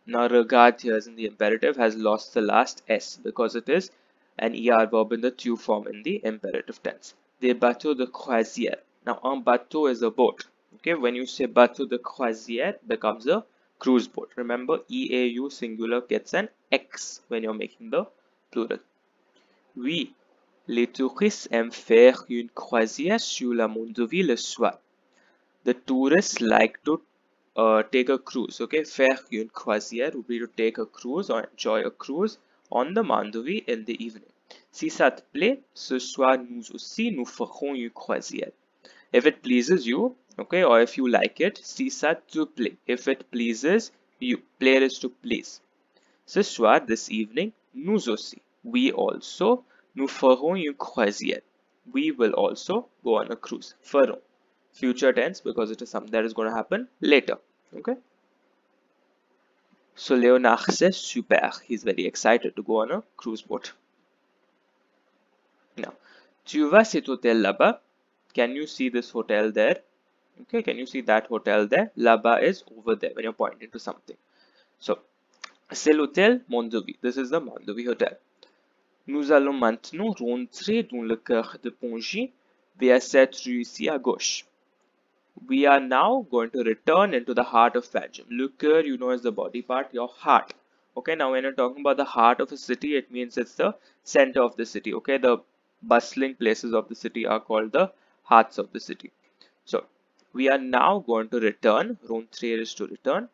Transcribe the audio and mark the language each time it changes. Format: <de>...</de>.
<en>Now, regard here is in the imperative, has lost the last S because it is an ER verb in the T form in the imperative tense.</en> <fr>Des bateaux de croisière. Now, un bateau</fr> <en>is a boat. Okay, when you say</en> <fr>bateau de croisière,</fr> <en>becomes a cruise boat. Remember, EAU singular gets an X when you're making the plural.</en> <fr>Oui. Les touristes aiment faire une croisière sur la Mondovie le soir.</fr> <en>The tourists like to take a cruise. Okay,</en> <fr>faire une croisière</fr> <en>would be to take a cruise or enjoy a cruise on the Mondovie in the evening.</en> <fr>Si ça te plaît, ce soir nous aussi nous ferons une croisière.</fr> <en>If it pleases you, okay, or if you like it,</en> <fr>si ça te plaît.</fr> <en>If it pleases you, plaît is to please.</en> <fr>Ce soir,</fr> <en>this evening,</en> <fr>nous aussi,</fr> <en>we also.</en> <fr>Nous ferons une croisière.</fr> <en>We will also go on a cruise. Ferons. Future tense because it is something that is going to happen later. Okay. So Leonard says super. He's very excited to go on a cruise boat. Now,</en> <fr>tu vois cet hôtel là-bas?</fr> <en>Can you see this hotel there? Okay. Can you see that hotel there? Là-bas is over there when you're pointing to something. So,</en> <fr>c'est l'hôtel Mondovie.</fr> <en>This is the Mondovie hotel.</en> <fr>Nous allons maintenant rentrer dans le cœur de Panjim via cette rue ici à gauche.</fr> <en>We are now going to return into the heart of Panjim. Le cœur, you know, is the body part, your heart. Okay, now when you're talking about the heart of a city, it means it's the center of the city. Okay, the bustling places of the city are called the hearts of the city. So, we are now going to return. Rentrer is to return.</en>